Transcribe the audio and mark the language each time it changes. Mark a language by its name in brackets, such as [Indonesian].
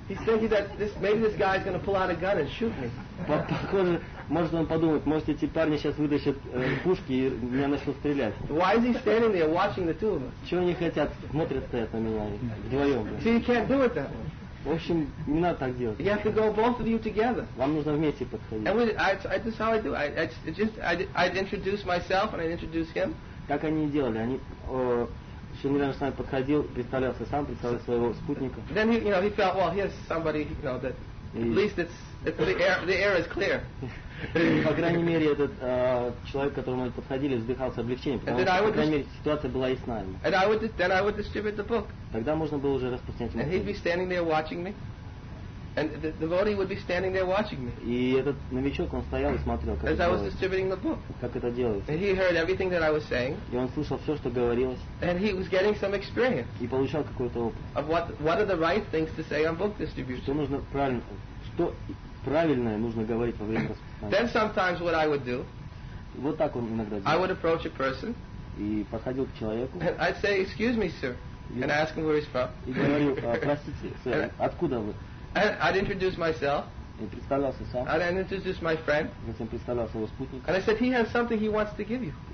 [English] He's thinking that maybe this guy is going to pull out a gun and shoot me. [Russian] Похоже, может он подумает, может эти парни сейчас вытащат пушки и меня начнут стрелять. [English] Why is he standing there watching the two of us? [Russian] Чего они хотят? Смотрят, стоят на меня вдвоем. [English] So you can't do it that way. [Russian] В общем, не надо так делать. [English] You have to go both of you together. [Russian] Вам нужно вместе подходить. [English] And that's how I do. I'd introduce myself and I'd introduce him. [Russian] Как они делали? Они Шенгельян с нами подходил, представлялся сам, представлял своего спутника. [English] Then he, you know, he felt, well, here's somebody, you know, that at least it's the air is clear. [Russian] По крайней мере, этот человек, к которому мы подходили, вздыхал с облегчением, потому что, по крайней мере, ситуация была ясна. [English] And then I would distribute the book. [Russian] Тогда можно было уже распространять материал. [English] And he'd be standing there watching me. And the devotee would be standing there watching me. [Russian] И этот новичок, он стоял и смотрел, как это делается. [English] As I was distributing the book. [Russian] Как это делается. [English] And he heard everything that I was saying. [Russian] И он слышал все, что говорилось. [English] And he was getting some experience. [Russian] И получал какой-то опыт. [English] Of what are the right things to say on book distribution. [Russian] Что нужно правильно, что правильное нужно говорить во время распространения. [English] Then sometimes what I would do. [Russian] Вот так он иногда делал. [English] I would approach a person. [Russian] И подходил к человеку. [English] And I'd say, excuse me, sir. And ask him where he's from. [Russian] И говорю, простите, сэр, откуда вы? [English] I'd introduce myself. I'd introduce my friend. And I said, he has something he wants to give you.